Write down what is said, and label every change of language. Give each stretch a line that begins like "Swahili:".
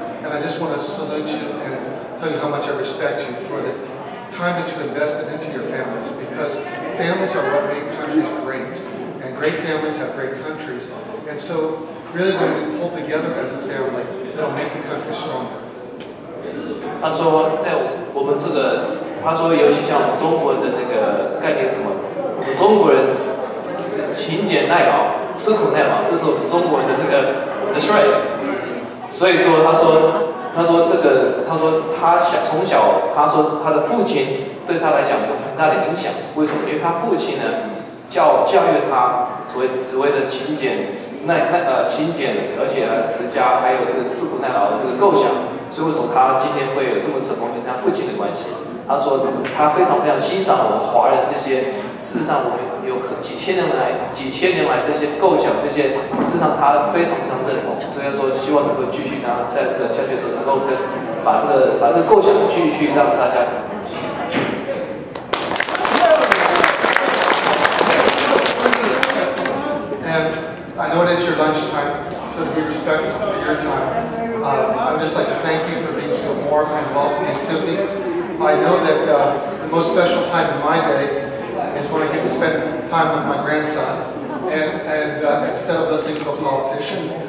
English: And I just want to salute you and tell you how much I respect you for the time that you invested into your families because. Families are what make countries great, and great families have great countries. And so, really, when we pull together as a family, it'll make the country stronger.
Chinese: 他说在我们这个，他说尤其像我们中国人的那个概念是什么，我们中国人勤俭耐劳吃苦耐劳，这是我们中国人的这个我们的 trait。所以说他说这个，他说他小从小，他说他的父亲对他来讲有很大的影响。为什么？因为他父亲呢教育他所谓的勤俭勤俭，而且持家，还有这个吃苦耐劳的这个构想。所以为什么他今天会有这么成功，就是他父亲的关系。他说他非常非常欣赏我们华人这些，事实上我们有几千年来这些构想，这些事实上他非常非常认同。所以说希望能够继续呢，在这个教学时候能够跟把这个构想继续让大家。
English: I know it is your lunchtime, so be respectful of your time. I would just like to thank you for being so warm and welcoming to me. I know that the most special time of my day is when I get to spend time with my grandson, and instead of listening to a politician.